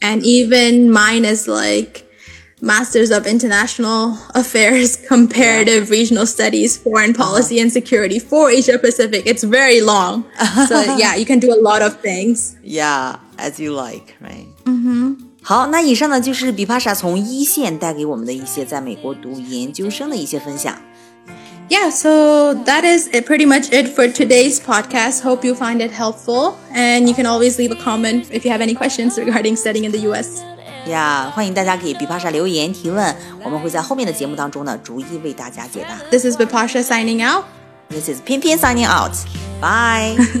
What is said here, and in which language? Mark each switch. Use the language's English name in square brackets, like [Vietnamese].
[English] And even mine is Masters of International Affairs, Comparative Regional Studies, Foreign Policy and Security for Asia Pacific. It's very long. So yeah, you can do a lot of things. Yeah, as you like, right? Mm-hmm. [Chinese] 好，那以上呢就是 Bipasha 从一线带给我们的一些在美国读研究生的一些分享。 [English] Yeah, so that is it, pretty much it for today's podcast. Hope you find it helpful. And you can always leave a comment if you have any questions regarding studying in the U.S. [Chinese] Yeah, 欢迎大家给 Bipasha 留言提问，我们会在后面的节目当中呢逐一为大家解答。 [English] This is Bipasha signing out. This is Pin Pin signing out. Bye.